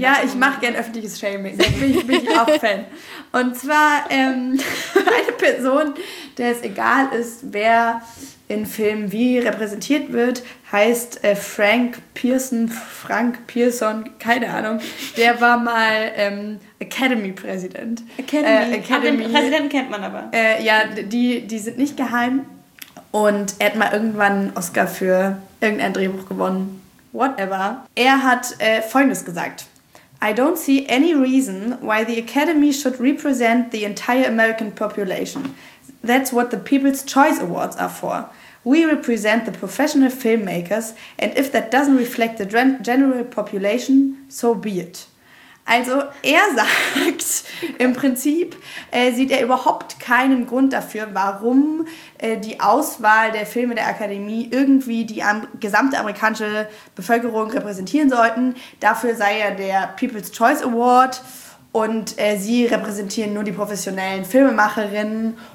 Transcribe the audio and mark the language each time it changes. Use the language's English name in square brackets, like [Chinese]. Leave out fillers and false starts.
[German] Ja, ich mache gern öffentliches Shaming. Da bin ich auch Fan. Und zwar eine Person, der es egal ist, wer in Filmen wie repräsentiert wird, heißt Frank Pearson, keine Ahnung. Der war mal Academy-Präsident. Präsidenten kennt man aber. Die sind nicht geheim. Und er hat mal irgendwann einen Oscar für irgendein Drehbuch gewonnen. Whatever. Er hat Folgendes gesagt. [English] I don't see any reason why the Academy should represent the entire American population. That's what the People's Choice Awards are for. We represent the professional filmmakers and if that doesn't reflect the general population, so be it. [German] Also er sagt, im Prinzip sieht er überhaupt keinen Grund dafür, warum die Auswahl der Filme der Akademie irgendwie die gesamte amerikanische Bevölkerung repräsentieren sollten. Dafür sei er der People's Choice Award und sie repräsentieren nur die professionellen Filmemacherinnen.